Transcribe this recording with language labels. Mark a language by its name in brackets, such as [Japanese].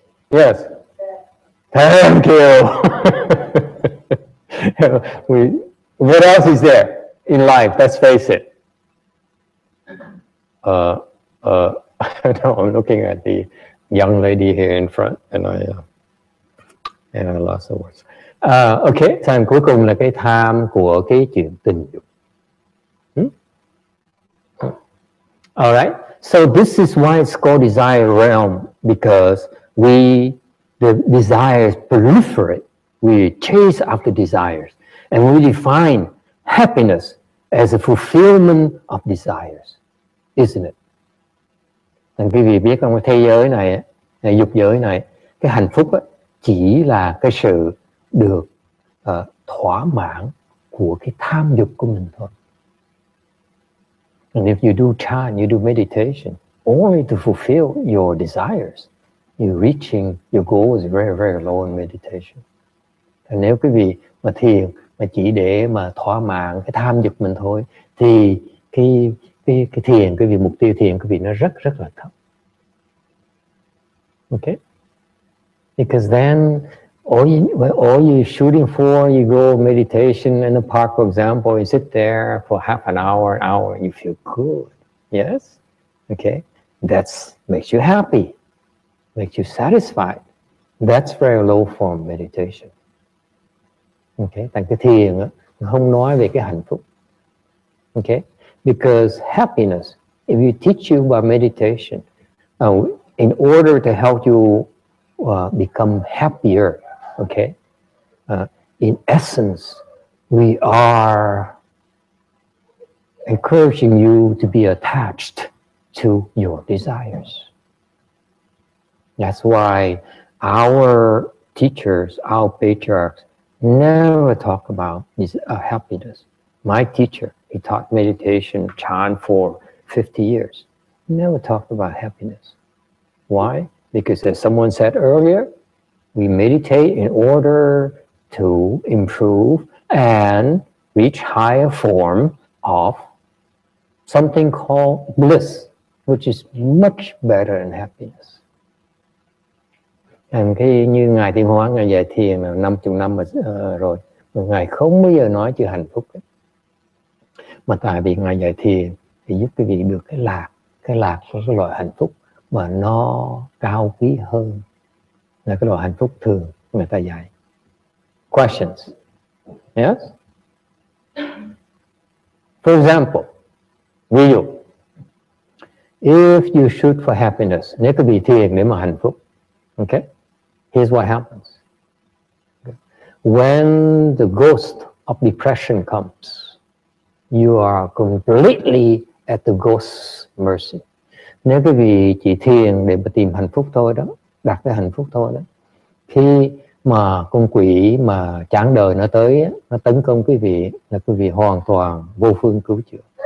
[English] Yes. Thank you. What else is there in life? Let's face it. I'm looking at the young lady here in front, and I lost the words. [Vietnamese] Okay, time cuối cùng là cái tham của cái chuyện tình dục. [English] All right. So this is why it's called desire realm, because the desires proliferate. We chase after desires, and we define happiness as a fulfillment of desires, isn't it? [Vietnamese] Thành quý vị biết không, thế giới này, dục giới này, cái hạnh phúc á, chỉ là cái sự được thỏa mãn của cái tham dục của mình thôi. [English] And if you do chan, you do meditation, only to fulfill your desires, you're reaching your goals very, very low in meditation. [Vietnamese] Và nếu quý vị mà thiền, mà chỉ để mà thỏa mãn cái tham dục mình thôi, thì cái thiền, quý vị, mục tiêu thiền quý vị nó rất, rất là thấp. [English] Okay? Because then all you're shooting for, you go meditation in the park, for example, you sit there for half an hour, and you feel good. Yes? Okay? That's makes you happy, makes you satisfied. That's very low form meditation. Okay? [Vietnamese] Tại cái thiền á, không nói về cái hạnh phúc. [English] Okay? Because happiness, if you teach you about meditation, in order to help you become happier, okay? In essence, we are encouraging you to be attached to your desires. That's why our teachers, our patriarchs, never talk about this happiness. My teacher, he taught meditation, chan, for 50 years. Never talked about happiness. Why? Because as someone said earlier, we meditate in order to improve and reach higher form of something called bliss, which is much better than happiness. And [Vietnamese] khi như ngài Thiền Hóa, ngài dạy thiền 50 năm rồi, ngài không bao giờ nói chuyện hạnh phúc. Mà tại vì ngài dạy thiền thì giúp quý vị được cái lạc của cái loại hạnh phúc mà nó cao quý hơn là cái loại hạnh phúc thường người ta dạy. [English] Questions? Yes? For example, [Vietnamese] ví dụ, [English] if you shoot for happiness, [Vietnamese] nếu quý vị thiền để mà hạnh phúc, okay? [English] Here's what happens. When the ghost of depression comes, you are completely at the ghost's mercy. [Vietnamese] Nếu quý vị chỉ thiền để mà tìm hạnh phúc thôi đó, đạt cái hạnh phúc thôi đó, khi mà con quỷ mà chán đời nó tới, nó tấn công quý vị, là quý vị hoàn toàn vô phương cứu chữa.